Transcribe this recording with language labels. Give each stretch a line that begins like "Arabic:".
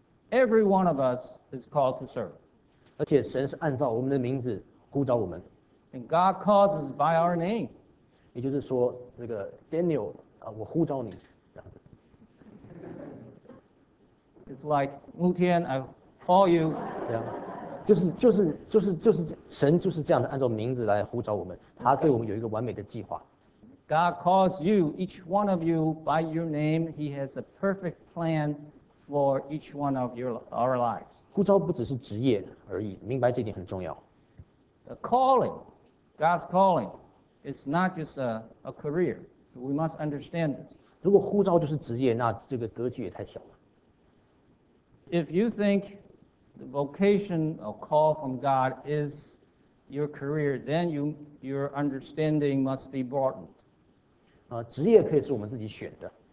English: Every one of us is called to serve.
Chinese: 而且神是按照我们的名字呼召我们。
English: And God calls us by our name.
Chinese: 也就是说，这个 Daniel 啊，我呼召你。
English: It's like 牧天 I call you.
Chinese: 对啊，就是神就是这样的，按照名字来呼召我们。他对我们有一个完美的计划。
English: God calls you, each one of you, by your name. He has a perfect plan. For each one of our lives.
Chinese: 呼召不只是职业而已，明白这点很重要。
English: The calling, God's calling, is not just a career. We must understand this.
Chinese: 如果呼召就是职业，那这个格局也太小了。
English: If you think the vocation or call from God is your career, then your understanding must be broadened.
Chinese: 职业可以是我们自己选的。